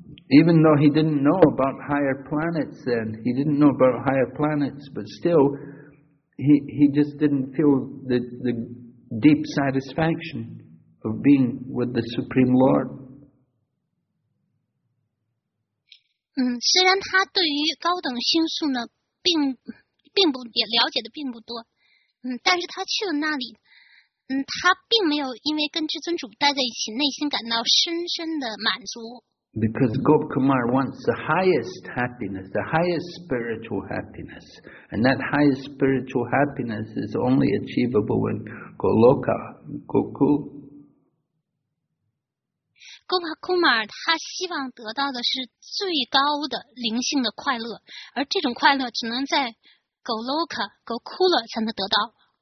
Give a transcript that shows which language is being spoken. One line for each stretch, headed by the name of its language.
English: Even though he didn't know about higher planets then, he didn't know about higher planets, but still, he just didn't feel the deep satisfaction of being with the Supreme Lord.
Chinese: 虽然他对于高等星宿呢并不也了解的并不多，但是他去了那里，他并没有因为跟至尊主待在一起内心感到深深的满足。
English: Because Gopkumar wants the highest happiness, the highest spiritual happiness. And that highest spiritual happiness is only achievable in Goloka, Gokul.
Chinese: Gopkumar, 他希望得到的是最高的灵性的快乐，而这种快乐只能在 Goloka, Gokula 才能得到。